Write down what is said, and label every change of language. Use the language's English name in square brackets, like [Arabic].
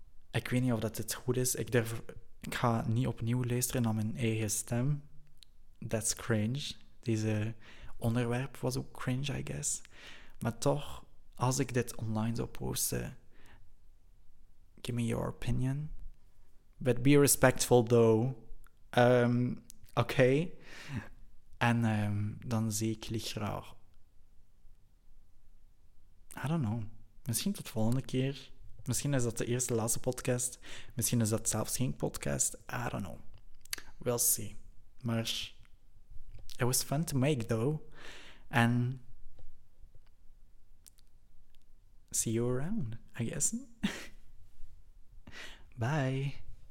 [Dutch] Ik weet niet of dat het goed is. Ik ga niet opnieuw luisteren naar mijn eigen stem. [English] That's cringe. [Dutch] Deze onderwerp was ook cringe, [English] I guess. [Dutch] Maar toch, als ik dit online zou posten... [English] Give me your opinion. But be respectful, though. Okay. [Dutch] En dan zie ik jullie graag. [English] I don't know. [Dutch] Misschien tot volgende keer. Misschien is dat de eerste, laatste podcast. Misschien is dat zelfs geen podcast. [English] I don't know. We'll see. [Dutch] Maar [English] it was fun to make, though. And see you around, I guess. Bye.